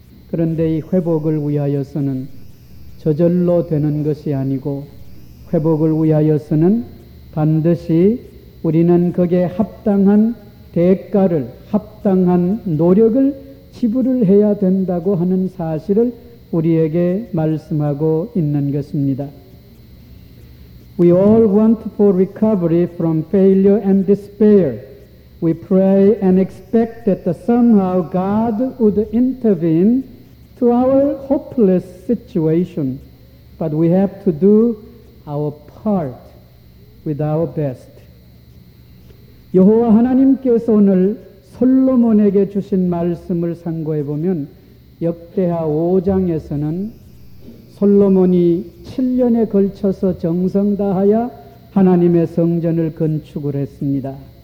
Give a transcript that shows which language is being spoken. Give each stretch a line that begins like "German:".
Korean: 그런데 이 회복을 위하여서는 저절로 되는 것이 아니고 회복을 위하여서는 반드시 우리는 거기에 합당한 대가를, 합당한 노력을 지불을 해야 된다고 하는 사실을 우리에게 말씀하고 있는 것입니다.
English: We all want for recovery from failure and despair. We pray and expect that somehow God would intervene to our hopeless situation. But we have to do our part with our best.
Korean: 여호와 하나님께서 오늘 솔로몬에게 주신 말씀을 상고해 보면 역대하 5장에서는 솔로몬이 7년에 걸쳐서 정성 다하여 하나님의 성전을 건축을 했습니다.